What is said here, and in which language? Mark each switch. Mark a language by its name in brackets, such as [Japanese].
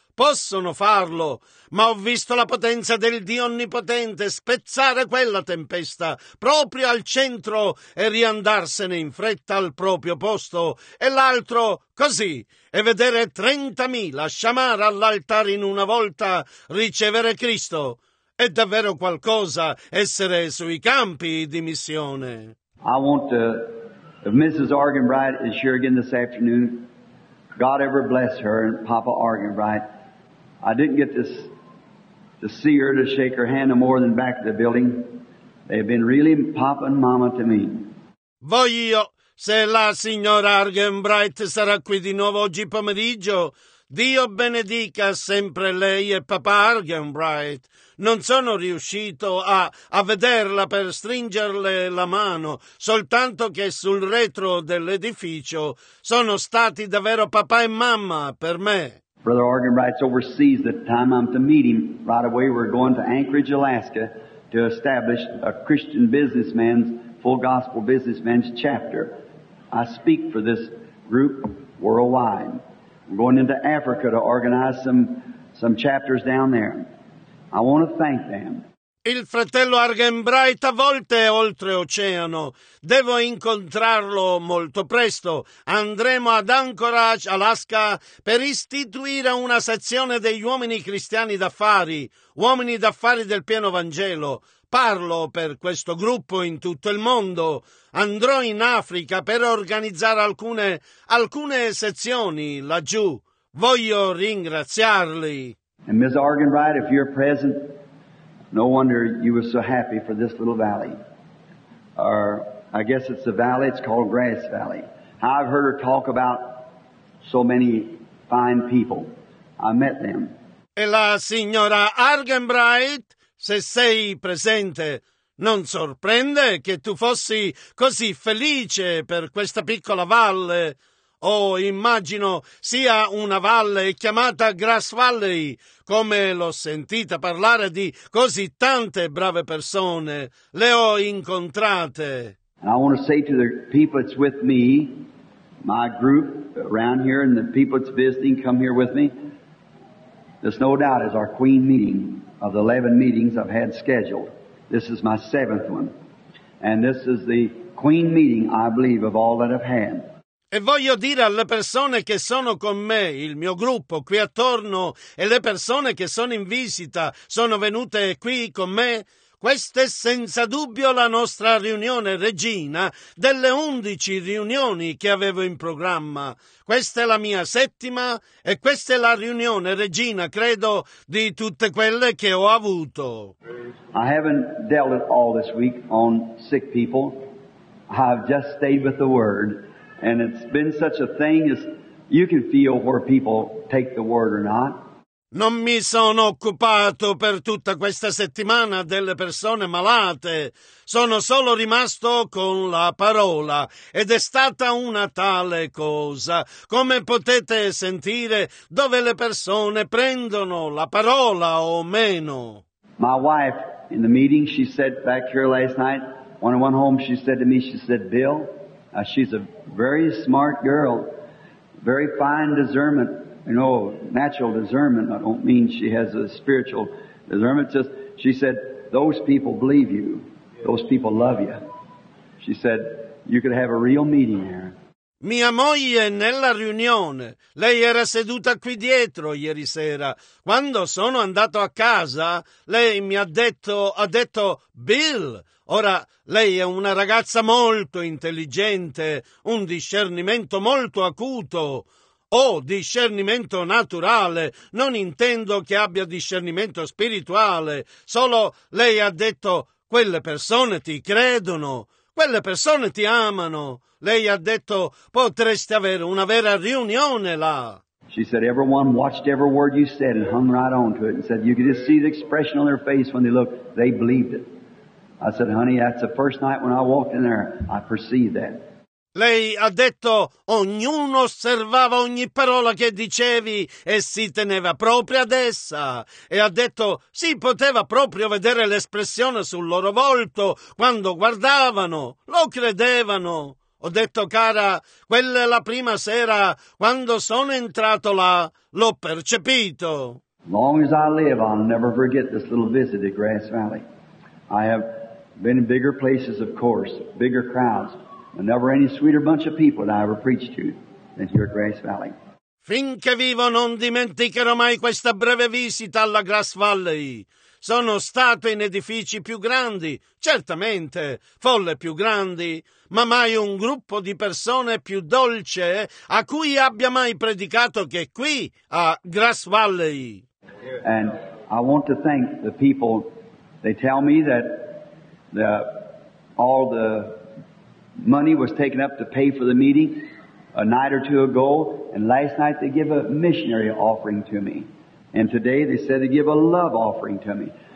[Italian] Possono farlo, ma ho visto la potenza del Dio Onnipotente spezzare quella tempesta proprio al centro e riandarsene in fretta al proprio posto e l'altro così e vedere 30.000 sciamare all'altare in una volta ricevere Cristo. È davvero qualcosa essere sui campi di missione. [English] I want to, if Mrs. Argenbright is here again this afternoon, God ever bless her and Papa Argenbright. I didn't get to see her, to shake her hand no more than back at the building. They've been really Papa and Mama to me. [Italian] Voglio, se la signora Argenbright sarà qui di nuovo oggi pomeriggio, Dio benedica sempre lei e Papa Argenbright. Non sono riuscito a vederla per stringerle la mano, soltanto che sul retro dell'edificio sono stati davvero papà e mamma per me. [English] Brother Argenbright's overseas. The time I'm to meet him right away, we're going to Anchorage, Alaska, to establish a Christian businessman's full gospel businessman's chapter. I speak for this group worldwide. I'm going into Africa to organize some chapters down there. I want to thank them. [Italian] Il fratello Argenbright a volte è oltreoceano. Devo incontrarlo molto presto. Andremo ad Anchorage, Alaska, per istituire una sezione degli uomini cristiani d'affari, uomini d'affari del pieno Vangelo. Parlo per questo gruppo in tutto il mondo. Andrò in Africa per organizzare alcune sezioni laggiù. Voglio ringraziarli. [English] And Ms. Argenbright, if you're present, no wonder you were so happy for this little valley. Or I guess it's a valley, it's called Grass Valley. I've heard her talk about so many fine people. I met them. [Italian] E la signora Argenbright, se sei presente, non sorprende che tu fossi così felice per questa piccola valle. Oh, immagino sia una valle chiamata Grass Valley, come l'ho sentita parlare di così tante brave persone. Le ho incontrate. [English] And I want to say to the people that's with me, my group around here, and the people that's visiting, come here with me. This, no doubt, is our queen meeting of the 11 meetings I've had scheduled. This is my 7th one. And this is the queen meeting, I believe, of all that I've had. [Italian] E voglio dire alle persone che sono con me, il mio gruppo qui attorno, e le persone che sono in visita, sono venute qui con me, questa è senza dubbio la nostra riunione regina delle 11 riunioni che avevo in programma. Questa è la mia 7ª e questa è la riunione regina, credo, di tutte quelle che ho avuto. [English] I haven't dealt at all this week on sick people. I've just stayed with the word. And it's been such a thing as you can feel where people take the word or not. [Italian] Non mi sono occupato per tutta questa settimana delle persone malate. Sono solo rimasto con la parola. Ed è stata una tale cosa. Come potete sentire, dove le persone prendono la parola o meno. [English] My wife, in the meeting, she said back here last night, when I went home, she said to me, Bill, she's a very smart girl, very fine discernment, you know, natural discernment. I don't mean she has a spiritual discernment. Just, she said, those people believe you. Those people love you. She said, you could have a real meeting here. [Italian] Mia moglie nella riunione, lei era seduta qui dietro ieri sera. Quando sono andato a casa, lei mi ha detto, Bill, ora lei è una ragazza molto intelligente, un discernimento molto acuto. Oh, discernimento naturale, non intendo che abbia discernimento spirituale, solo lei ha detto, quelle persone ti credono, quelle persone ti amano. Lei ha detto, potreste avere una vera riunione là. [English] She said, everyone watched every word you said and hung right on to it and said, you could just see the expression on their face when they looked, they believed it. I said, honey, that's the first night when I walked in there, I perceived that. [Italian] Lei ha detto, ognuno osservava ogni parola che dicevi e si teneva proprio ad essa. E ha detto, si poteva proprio vedere l'espressione sul loro volto quando guardavano, lo credevano. Ho detto, cara, quella è la prima sera, quando sono entrato là, l'ho percepito. [English] Long as I live, I'll never forget this little visit at Grass Valley. I have been in bigger places, of course, bigger crowds. And never any sweeter bunch of people that I ever preached to than here at Grass Valley. [Italian] Finché vivo non dimenticherò mai questa breve visita alla Grass Valley. Sono stato in edifici più grandi, certamente, folle più grandi, ma mai un gruppo di persone più dolce a cui abbia mai predicato che qui a Grass Valley. [English] And I want to thank the people. They tell me that all the money was taken up to pay for the meeting a night or two ago, and last night they gave a missionary offering to me, and today they said they give a love offering to me.